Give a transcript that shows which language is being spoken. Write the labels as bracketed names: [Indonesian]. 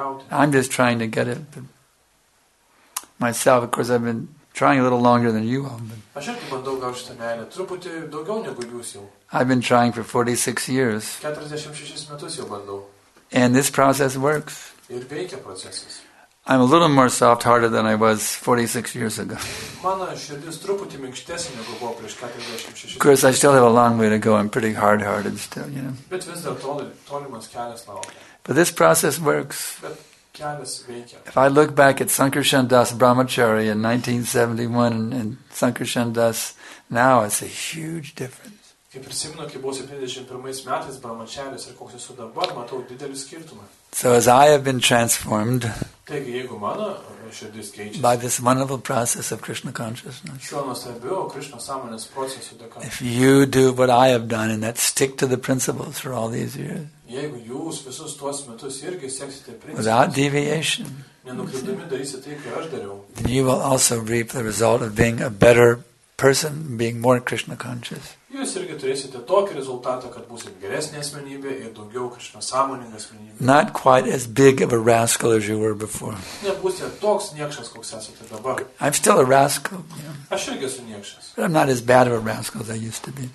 [English] I'm just trying to get it. But myself, of course, I've been trying a little longer than you have been. [Lithuanian] Aš irgi bandau gaužti meilę, truputį daugiau negu jūs jau. [English] I've been trying for 46 years. [Lithuanian] 46 metus jau bandau. [English] And this process works. [Lithuanian] Ir veikia procesas. [English] I'm a little more soft-hearted than I was 46 years ago. [Lithuanian] Mano širdis truputį minkštesnė negu buvo prieš 46. [English] Of course, I still have a long way to go. I'm pretty hard-hearted still, you know. [Lithuanian] Bet vis dar tolimas kelias laukia. [English] But this process works. [Lithuanian] Bet kelias veikia. [English] If I look back at Sankarshan Das Brahmachari in 1971 and Sankarshan Das now, it's a huge difference. [Lithuanian] Kai prisimenu, kai buvo 71 metais Brahmacharis ir koks esu dabar, matau didelį skirtumą. [English] So as I have been transformed [Lithuanian] taigi, jeigu mano, širdis keičiasi, [English] by this wonderful process of Krishna consciousness, [Lithuanian] šiuo nuostabiu Krishna sąmonės procesu dėka, [English] if you do what I have done and that stick to the principles for all these years, [Lithuanian] jeigu jūs visus tuos metus irgi seksite principus, [English] without deviation, [Lithuanian] nenukrypdami darysite tai, ką aš dariau, [English] then you will also reap the result of being a better person, being more Krishna conscious. [Lithuanian] Jūs irgi turėsite tokį rezultatą, kad būsit geresnė asmenybė ir daugiau Krishna sąmoningą asmenybę. [English] Not quite as big of a rascal as you were before. [Lithuanian] Nebūsite toks niekšas, koks esate dabar. [English] I'm still a rascal. Yeah. [Lithuanian] Aš irgi esu niekšas. [English] But I'm not as bad of a rascal as I used to be.